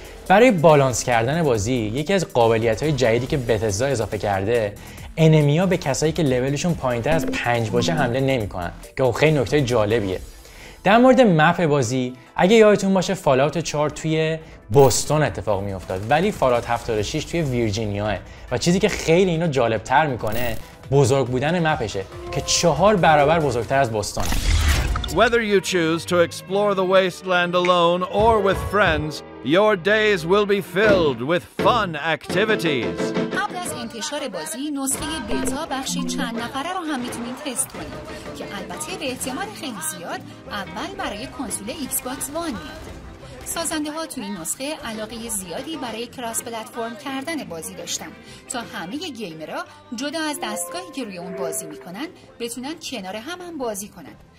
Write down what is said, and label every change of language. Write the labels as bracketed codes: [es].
[fa] برای بالانس کردن بازی یکی از قابلیت‌های جدیدی که بتزا اضافه کرده، انمی‌ها به کسایی که لولشون پایین‌تر از 5 باشه حمله نمی‌کنن، که خیلی نکته جالبیه. در مورد مپ بازی، اگه یادتون باشه فالاوت 4 توی بوستون اتفاق می‌افتاد، ولی فالاوت 76 توی ویرجینیاه و چیزی که خیلی اینو جالب‌تر می‌کنه بزرگ بودن مپشه که 4 برابر بزرگتر از بوستونه. [en] Whether you choose to explore the wasteland alone or with friends, your days will be filled with fun activities. [fa] قبل از انتشار بازی، نسخه بیتا بخشی چند نفره رو هم میتونید تست کنید که البته به احتمال خیلی زیاد اول برای کنسول ایکس باکس وان میاد. سازنده ها توی نسخه علاقه زیادی برای کراس پلتفرم کردن بازی داشتن تا همه گیمرها جدا از دستگاهی که روی اون بازی میکنن بتونن کنار هم بازی کنن.